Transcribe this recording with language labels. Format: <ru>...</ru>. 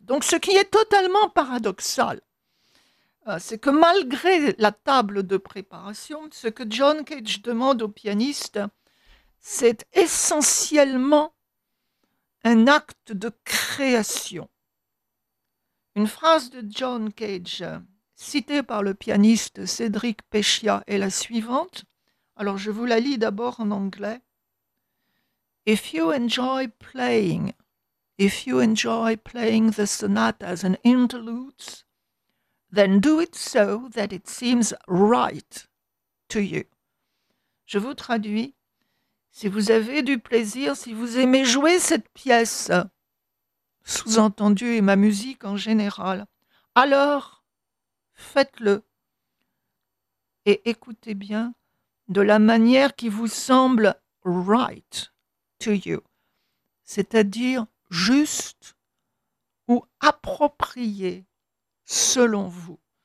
<fr>Donc, ce qui est totalement paradoxal, c'est que malgré la table de préparation, ce que John Cage demande au pianiste, c'est essentiellement un acte de création. Une phrase de John Cage, citée par le pianiste Cédric Pechia, est la suivante. Alors, je vous la lis d'abord en anglais.</fr> <en>If you enjoy playing, the sonatas and interludes, then do it so that it seems right to you.</en> <fr>Je vous traduis. Si vous avez du plaisir, si vous aimez jouer cette pièce, sous-entendu et ma musique en général, alors faites-le et écoutez bien de la manière qui vous semble</fr> <en>right to you,</en> <fr>c'est-à-dire juste ou approprié selon vous.</fr>